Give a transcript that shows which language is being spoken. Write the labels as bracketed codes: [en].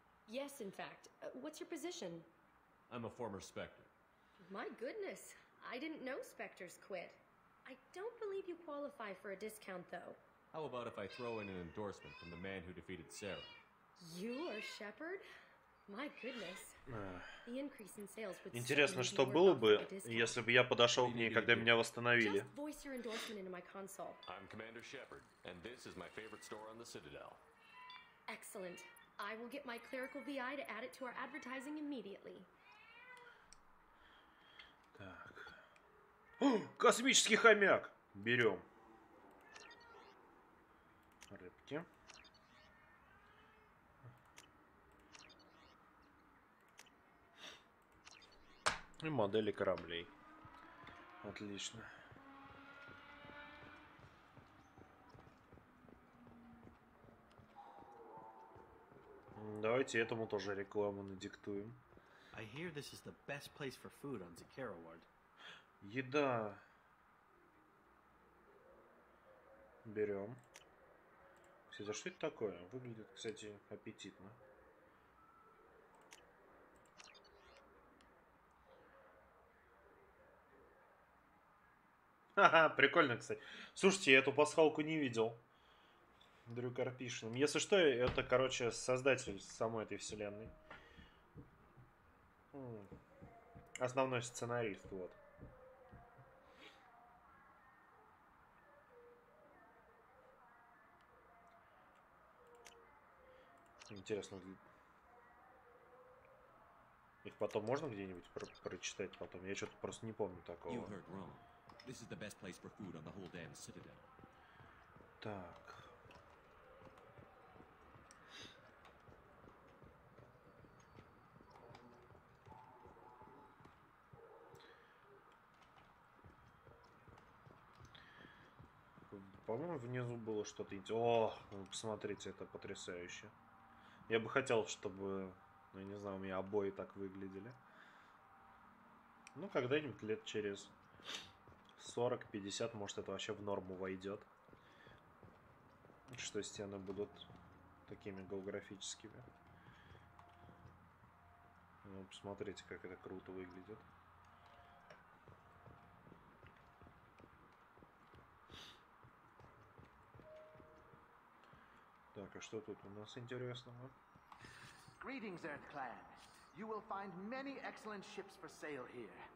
[en] Yes, in fact. What's your position? I'm a former Spectre. My goodness, I didn't know Spectres quit. I don't believe you qualify for a discount, though. How about if I throw in an endorsement from the man who defeated Sarah? You are Shepard? My goodness. The increase in sales would [ru] Интересно, что было бы, если бы я подошел к ней, когда меня восстановили. [en] Just voice your endorsement into my console. I'm Commander Shepard, and this is my favorite store on the Citadel. Excellent. I will get my clerical VI to add it to our advertising immediately. [ru] Так. О, космический хомяк! Берем. Рыбки. И модели кораблей. Отлично. Давайте этому тоже рекламу надиктуем. [en] I hear this is the best place for food on Zakara Ward. [ru] Еда. Берем. Кстати, что это такое? Выглядит, кстати, аппетитно. Ха-ха, прикольно, кстати. Слушайте, я эту пасхалку не видел. Дрю Карпишин. Если что, это, короче, создатель самой этой вселенной. Основной сценарист, вот. Интересно. Их потом можно где-нибудь прочитать потом? Я что-то просто не помню такого. [en] This is the best place for food on the whole damn Citadel. [ru] Так. По-моему, внизу было что-то интересное. О, посмотрите, это потрясающе. Я бы хотел, чтобы, ну, я не знаю, у меня обои так выглядели. Ну, когда-нибудь лет через... 40-50, может, это вообще в норму войдет. Что стены будут такими голографическими. Ну, посмотрите, как это круто выглядит. Так, а что тут у нас интересного? [en] Greetings, Earth Clan. You will find many excellent ships for sale here.